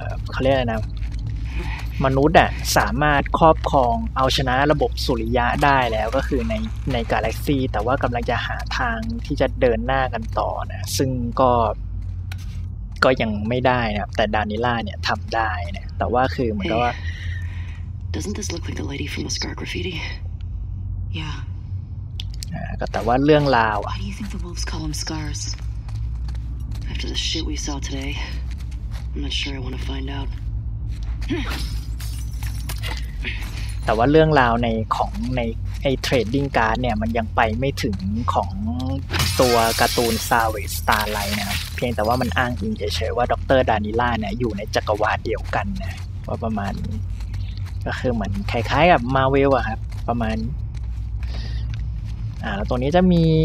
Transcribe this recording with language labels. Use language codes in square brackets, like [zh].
[th] เขาเรียกอะไรนะมนุษย์อ่ะสามารถครอบครองเอาชนะระบบสุริยะได้แล้วก็คือในกาแล็กซีแต่ว่ากำลังจะหาทางที่จะเดินหน้ากันต่อนะซึ่งก็ยังไม่ได้นะครับแต่ดานิล่าเนี่ยทำได้เนี่ยแต่ว่าคือเหมือนกับว่า [en] Doesn't this look like the lady from the scar graffiti? Yeah. [th] ก็แต่ว่าเรื่องราวอ่ะ [en] How do you think the wolves call them scars? After the shit we saw today, I'm not sure I want to find out. [th] แต่ว่าเรื่องราวในไอ้เทรดดิ้งการ์ดเนี่ยมันยังไปไม่ถึงของตัวการ์ตูน Savage Starlight นะครับเพียงแต่ว่ามันอ้างอิงเฉยๆว่าด็อกเตอร์ดานิล่าเนี่ยอยู่ในจักรวาลเดียวกันนะว่าประมาณก็คือเหมือนคล้ายๆกับ Marvel อ่ะครับประมาณแล้วตัวนี้จะมี